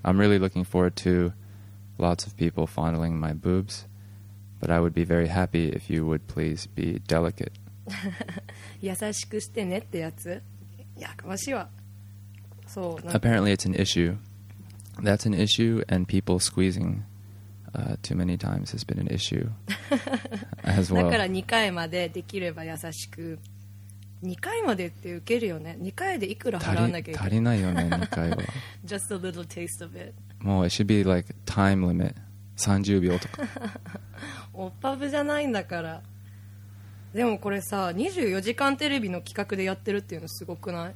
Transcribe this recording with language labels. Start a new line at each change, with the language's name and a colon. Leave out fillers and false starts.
English: I'm really looking forward to lots of people fondling my boobs, but I would be very happy if you would please be delicate.
Japanese: 優しくしてねってやつ。やかましいわ。そう。
English: Apparently it's an issue. That's an issue, and people squeezing too many times has been an issue as well.
Japanese: だから2回までできれば優しく。2回までって受けるよね。2回でいくら払わなきゃいけない。足りないよね、2回は。
English: Just a little taste of it. もう it should be like time limit 30秒とか。
Japanese: オッパブじゃないんだから。でもこれさ、24時間テレビの企画でやってるっていうのすごくない？